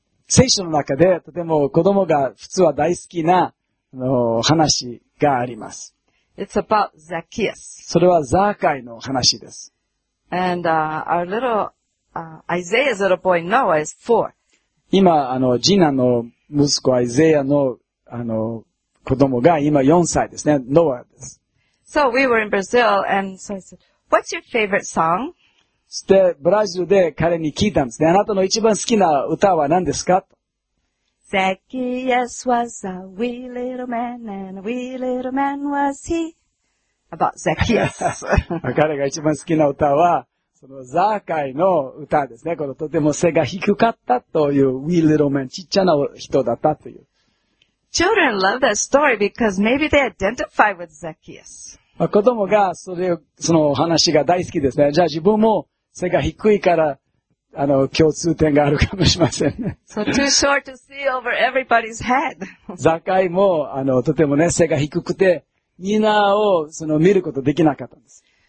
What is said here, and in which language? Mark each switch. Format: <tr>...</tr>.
<ja>聖書の中でとても子供が普通は大好きな話があります。</ja> <en>It's about Zacchaeus.</en> <ja>それはザーカイの話です。</ja> <en>And Isaiah's little boy Noah is four.</en> <ja>今ジナの息子アイゼヤの子供が今4歳ですね。ノアです。</ja> <en>So we were in Brazil and so I said, "What's your favorite song?"</en> <ja>でブラジルで彼に聞いたんですね。あなたの一番好きな歌は何ですか？</ja> <en>Zacchaeus was a wee little man, and a wee little man was he. About Zacchaeus.</en> <ja>彼が一番好きな歌は、そのザーカイの歌ですね。このとても背が低かったという、</ja> <en>wee little man、</en> <ja>ちっちゃな人だったという。</ja> <en>Children love that story because maybe they identify with Zacchaeus.</en> <ja>子供がその話が大好きですね。じゃあ自分も背が低いから、共通点があるかもしれませんね。</ja> <en>So too short to see over everybody's head.</en> <ja>ザカイも、とてもね、背が低くて、みんなを、見ることできなかったんです。</ja>